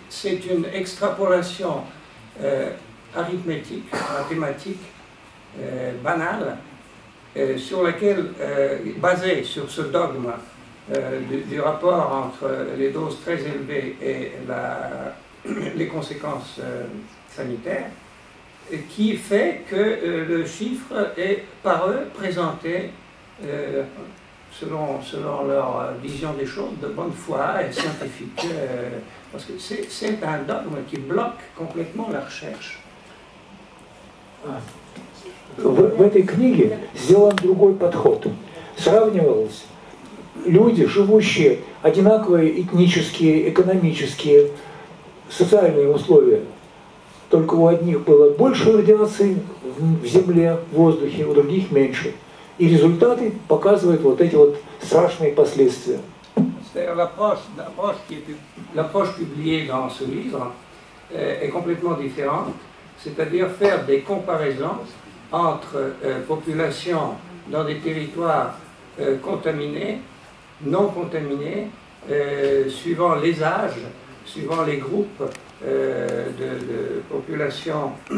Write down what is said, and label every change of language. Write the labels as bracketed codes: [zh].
[fr] C'est une extrapolation arithmétique, mathématique, banale, sur laquelle, basée sur ce dogme du rapport entre les doses très élevées et les conséquences sanitaires, qui fait que le chiffre est par eux présenté selon leur vision des choses de bonne foi et scientifique, parce que c'est un dogme qui bloque complètement la recherche. [ru] В этой книге сделан другой подход. Сравнивалось люди, живущие одинаковые этнические, экономические, социальные условия. Только у одних было больше радиации в земле, в воздухе, у других меньше. И результаты показывают вот эти вот страшные последствия. [fr] L'approche publiée dans ce livre est complètement différente, c'est-à-dire faire des comparaisons entre populations dans des territoires contaminés, non contaminés, suivant les âges, suivant les groupes de populations